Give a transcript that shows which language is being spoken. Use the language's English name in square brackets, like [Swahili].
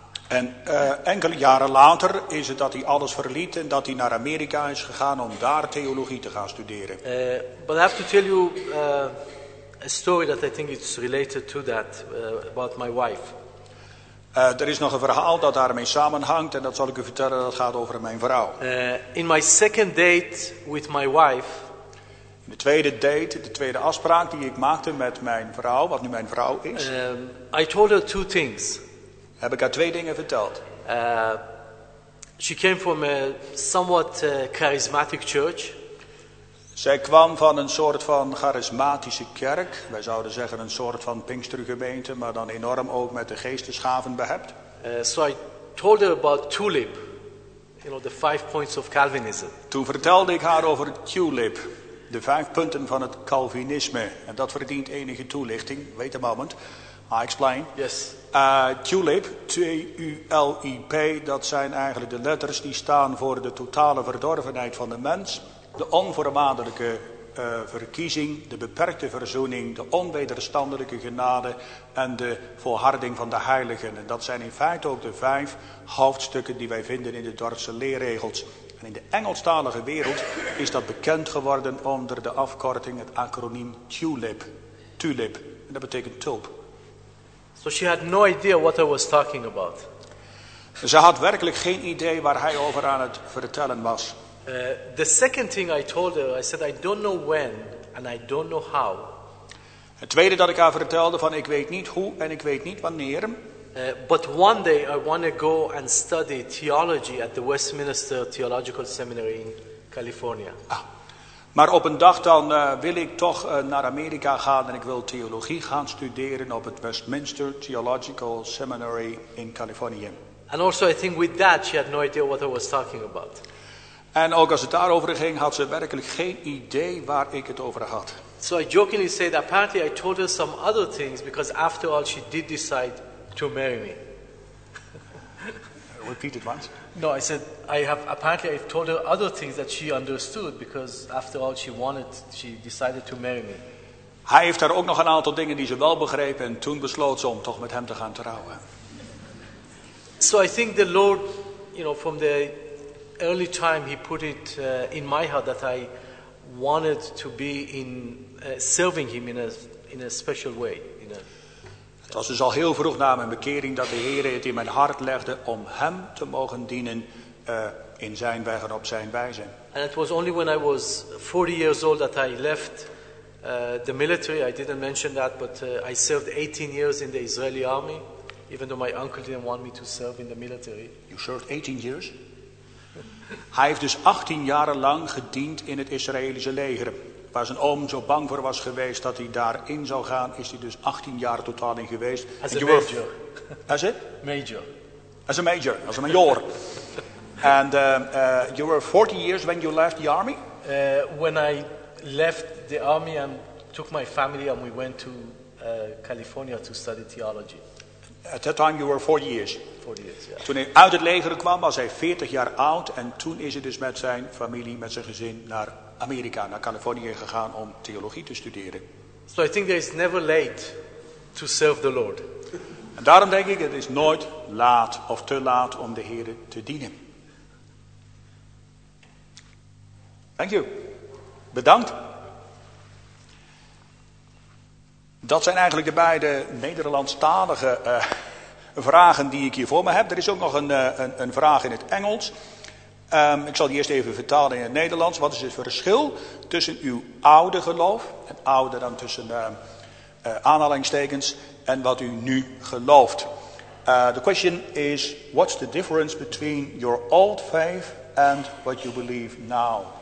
[Dutch] En enkele jaren later is het dat hij alles verliet en dat hij naar Amerika is gegaan om daar theologie te gaan studeren. [English] But I have to tell you a story that I think is related to that, about my wife. [Dutch] Er is nog een verhaal dat daarmee samenhangt en dat zal ik u vertellen, dat gaat over mijn vrouw. [English] In my second date with my wife. [Dutch] In de tweede date, de tweede afspraak die ik maakte met mijn vrouw, wat nu mijn vrouw is. [English] I told her two things. [Dutch] Heb ik haar twee dingen verteld. [English] She came from a somewhat charismatic church. [Dutch] Zij kwam van een soort van charismatische kerk. Wij zouden zeggen een soort van Pinkstergemeente, maar dan enorm ook met de geestesgaven behept. [English] So I told her about Tulip, you know, the 5 points of Calvinism. [Dutch] Toen vertelde ik haar over Tulip, de 5 punten van het Calvinisme. En dat verdient enige toelichting. [English] Wait a moment. I explain. Yes. [Dutch] Tulip, T-U-L-I-P, dat zijn eigenlijk de letters die staan voor de totale verdorvenheid van de mens. De onvoorwaardelijke verkiezing, de beperkte verzoening, de onwederstandelijke genade en de volharding van de heiligen. En dat zijn in feite ook de 5 hoofdstukken die wij vinden in de Dordtse leerregels. En in de Engelstalige wereld is dat bekend geworden onder de afkorting, het acroniem Tulip. Tulip, en dat betekent tulp. [English] So she had no idea what I was talking about. [Dutch] Ze had werkelijk geen idee waar hij over aan het vertellen was. [English] The second thing I told her, I said, I don't know when and I don't know how. [Dutch] Het tweede dat ik haar vertelde van, ik weet niet hoe en ik weet niet wanneer. [English] But one day I want to go and study theology at the Westminster Theological Seminary in California. Ah. [Dutch] Maar op een dag dan wil ik toch naar Amerika gaan en ik wil theologie gaan studeren op het Westminster Theological Seminary in California. [English] And also I think with that she had no idea what I was talking about. [Dutch] En ook als het daarover ging, had ze werkelijk geen idee waar ik het over had. [English] So I jokingly say that apparently I told her some other things because after all she did decide to marry me. Repeat it once. No, I said I've told her other things that she understood because after all she decided to marry me. [Dutch] Hij heeft haar ook nog een aantal dingen die ze wel begreep en toen besloot ze om toch met hem te gaan trouwen. [English] So I think the Lord, you know, from the early time he put it in my heart that I wanted to be in serving him in a special way. [Dutch] Het was dus al heel vroeg na mijn bekering dat de Heer het in mijn hart legde om hem te mogen dienen in zijn weg en op zijn wijze. [English] And it was only when I was 40 years old that I left the military. I didn't mention that, but I served 18 years in the Israeli army, even though my uncle didn't want me to serve in the military. You served 18 years? [Dutch] Hij heeft dus 18 jaren lang gediend in het Israëlische leger. Waar zijn oom zo bang voor was geweest dat hij daarin zou gaan, is hij dus 18 jaar totaal in geweest. [English] As a major. As it? Major. As a major, [Dutch] als een major. [English] And you were 40 years when you left the army? When I left the army and took my family and we went to California to study theology. At that time you were 40 years. 40 years, yeah. [Dutch] Toen hij uit het leger kwam, was hij 40 jaar oud. En toen is hij dus met zijn familie, met zijn gezin naar Amerika, naar Californië gegaan om theologie te studeren. [English] So I think there is never late to serve the Lord. [Dutch] En daarom denk ik, het is nooit laat of te laat om de Heer te dienen. [English] Thank you. [Dutch] Bedankt. Dat zijn eigenlijk de beide Nederlandstalige vragen die ik hier voor me heb. Er is ook nog een vraag in het Engels. Ik zal die eerst even vertalen in het Nederlands. Wat is het verschil tussen uw oude geloof, en oude dan tussen aanhalingstekens, en wat u nu gelooft? [English] The question is, what's the difference between your old faith and what you believe now?